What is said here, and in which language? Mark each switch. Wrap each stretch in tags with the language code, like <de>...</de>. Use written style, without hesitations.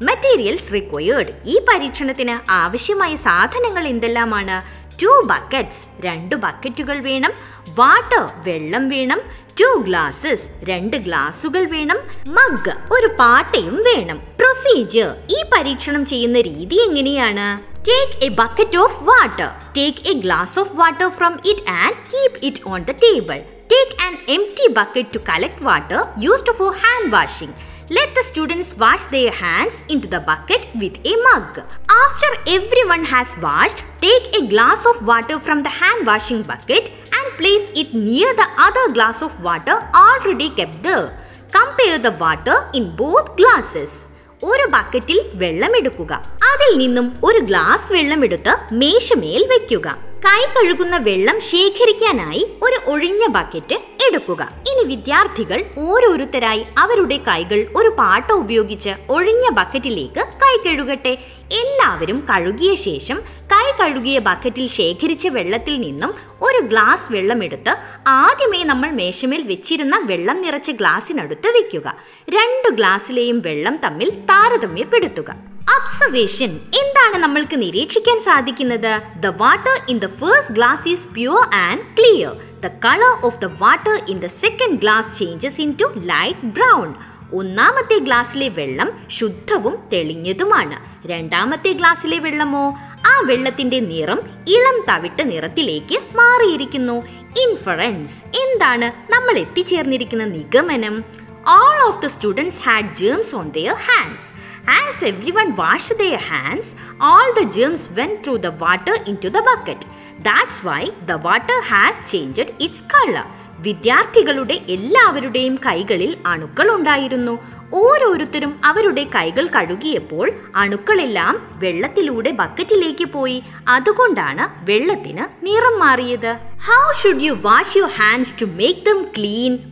<en>materials required,</en> <ml>ഈ പരീക്ഷണത്തിന് ആവശ്യമായ സാധനങ്ങൾ എന്തെല്ലാമാണ്?</ml> <en>2 buckets,</en> <ml>2 ബക്കറ്റുകൾ വേണം. വാട്ടർ, വെള്ളം വേണം.</ml> <en>2 glasses,</en> <ml>2 ഗ്ലാസുകൾ വേണം. മഗ്, ഒരു പാട്ടയും വേണം. പ്രൊസീജിയർ, ഈ പരീക്ഷണം ചെയ്യുന്ന രീതി എങ്ങനെയാണ്?</ml> <en>Take a bucket of water. Take a glass of water from it and keep it on the table. Take an empty bucket to collect water used for hand washing. Let the students wash their hands into the bucket with a mug. After everyone has washed, take a glass of water from the hand washing bucket and place it near the other glass of water already kept there. Compare the water in both glasses.</en> <ml>ഒരു ബക്കറ്റിൽ വെള്ളം എടുക്കുക. അതിൽ നിന്നും ഒരു glass വെള്ളം എടുത്ത് മേശമേൽ വെക്കുക. കൈ കഴുകുന്ന വെള്ളം ശേഖരിക്കാനായി ഒരു ഒഴിഞ്ഞ ബക്കറ്റ് എടുക്കുക. ഇനി വിദ്യാർത്ഥികൾ ഓരോരുത്തരായി അവരുടെ കൈകൾ ഒരു പാട്ട ഉപയോഗിച്ച് ഒഴിഞ്ഞ ബക്കറ്റിലേക്ക് കൈ കഴുകട്ടെ. എല്ലാവരും കഴുകിയ ശേഷം കൈ കഴുകിയ ബക്കറ്റിൽ ശേഖരിച്ച വെള്ളത്തിൽ നിന്നും ഒരു ഗ്ലാസ് വെള്ളമെടുത്ത് ആദ്യമേ നമ്മൾ മേശമേൽ വെച്ചിരുന്ന വെള്ളം നിറച്ച ഗ്ലാസിനടുത്ത് വെക്കുക. രണ്ട് ഗ്ലാസ്സിലെയും വെള്ളം തമ്മിൽ താരതമ്യപ്പെടുത്തുക.</ml> <en>observation,</en> <ml>എന്താണ് നമ്മൾക്ക് നിരീക്ഷിക്കാൻ സാധിക്കുന്നത്?</ml> <en>The water in the first glass is pure and clear. The colour of the water in the second glass changes into light brown.</en> <ml>ഒന്നാമത്തെ ഗ്ലാസ്സിലെ വെള്ളം ശുദ്ധവും തെളിഞ്ഞതുമാണ്. രണ്ടാമത്തെ ഗ്ലാസ്സിലെ വെള്ളമോ? ആ വെള്ളത്തിന്റെ നിറം ഇളം തവിട്ട് നിറത്തിലേക്ക് മാറിയിരിക്കുന്നു. ഇൻഫറൻസ്, എന്താണ് നമ്മൾ എത്തിച്ചേർന്നിരിക്കുന്ന നിഗമനം?</ml> <en>All of the students had germs on their hands. As everyone washed their hands, all the germs went through the water into the bucket. That's why the water has changed its color.</en> <ml>വിദ്യാർത്ഥികളുടെ എല്ലാവരുടെയും കൈകളിൽ അണുക്കൾ ഉണ്ടായിരുന്നു. ഓരോരുത്തരും അവരുടെ കൈകൾ കഴുകിയപ്പോൾ അണുക്കളെല്ലാം വെള്ളത്തിലൂടെ ബക്കറ്റിലേക്ക് പോയി. അതുകൊണ്ടാണ് വെള്ളത്തിന് നിറം മാറിയത്.</ml> <en>How should you wash your hands to make them clean?</en>